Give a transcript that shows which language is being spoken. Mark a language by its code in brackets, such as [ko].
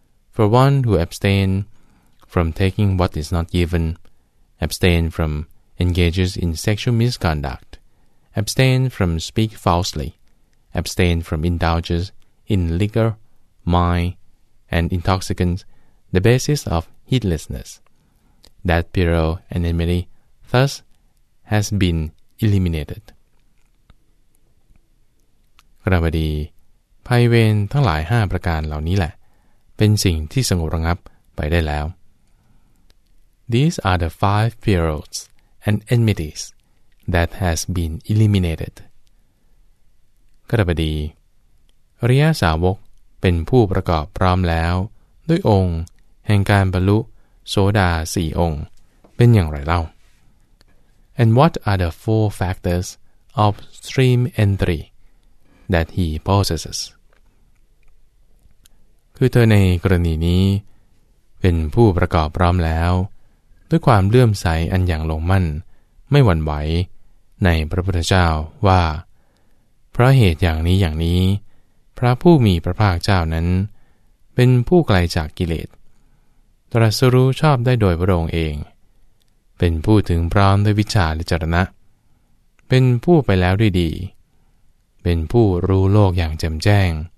[en] For one who abstain from taking what is not given, abstain from engages in sexual misconduct, abstain from speak falsely, abstain from indulges in liquor, wine, and intoxicants, the basis of heedlessness, that peril and enmity thus has been eliminated. [th] กระบดีภัยเวรทั้งหลาย5ประการเหล่านี้แหละเป็นสิ่งที่สงบระงับไปได้แล้ว [en] These are the five perils and enmities that has been eliminated. [th] กระบดีอริยสาวกเป็นผู้ประกอบพร้อมแล้วด้วยองค์แห่งการบรรลุโสดา4องค์เป็นอย่างไรเล่า [en] And what are the four factors of stream entryThat he possesses. [th] คือเธอในกรณีนี้เป็นผู้ประกอบพร้อมแล้วด้วยความเลื่อมใสอันอย่างลงมั่นไม่หวั่นไหวในพระพุทธเจ้าว่าเพราะเหตุอย่างนี้อย่างนี้พระผู้มีพระภาคเจ้านั้นเป็นผู้ไกลจากกิเลสตรัสรู้ชอบได้โดยพระองค์เองเป็นผู้ถึงพร้อมด้วยวิชชาและจรณะเป็นผู้ไปแล้วด้วยดีเป็นผู้รู้โลกอย่างแจ่มแจ้ง